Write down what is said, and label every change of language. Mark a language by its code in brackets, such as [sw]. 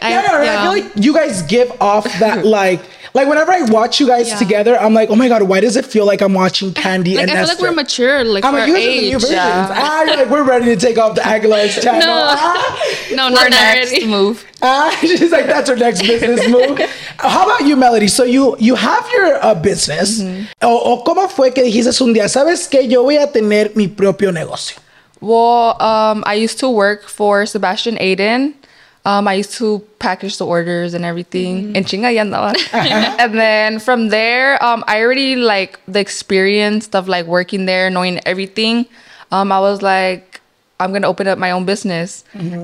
[en] I feel like you guys give off that, like, whenever I watch you guys together, I'm like, oh my God, why does it feel like I'm watching Candy like, and Nestor? I feel like we're mature. Like, I'm like, you guys are the new versions. Yeah. And you're like, we're ready to take off the Aguilar's channel. No, not ready. Next move. She's like, that's her next business move. How about you, Melody? So you have your business. Mm-hmm. [es] O cómo fue que dijiste un día, sabes que yo voy a tener mi propio negocio? [en] Well, I used to work for Sebastian Aiden. I used to package the orders and everything. [es] En chinga y andaba. [en] And then from there, I already like the experience of like working there, knowing everything. I was like, I'm going to open up my own business. Mm-hmm.